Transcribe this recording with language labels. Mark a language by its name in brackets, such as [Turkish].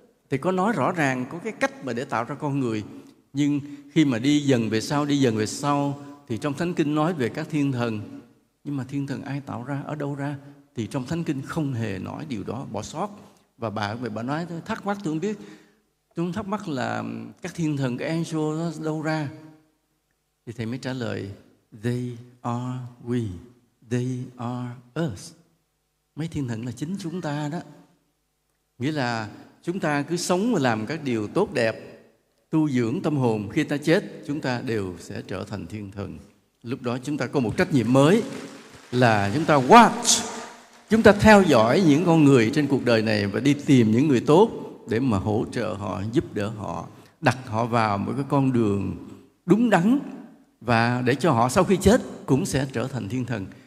[Vietnamese] Thì có nói rõ ràng, có cái cách mà để tạo ra con người. Nhưng khi mà đi dần về sau, thì trong Thánh Kinh nói về các thiên thần. Nhưng mà thiên thần ai tạo ra, ở đâu ra? Thì trong Thánh Kinh không hề nói điều đó, bỏ sót. Và bà nói, thắc mắc tôi không biết. Chúng thắc mắc là các thiên thần, các angel nó đâu ra? [English] Thì thầy mới trả lời, they are we, they are us. [Vietnamese] Mấy thiên thần là chính chúng ta đó. Nghĩa là chúng ta cứ sống và làm các điều tốt đẹp, tu dưỡng tâm hồn, khi ta chết, chúng ta đều sẽ trở thành thiên thần. Lúc đó chúng ta có một trách nhiệm mới là chúng ta watch, chúng ta theo dõi những con người trên cuộc đời này và đi tìm những người tốt để mà hỗ trợ họ, giúp đỡ họ, đặt họ vào một cái con đường đúng đắn và để cho họ sau khi chết cũng sẽ trở thành thiên thần.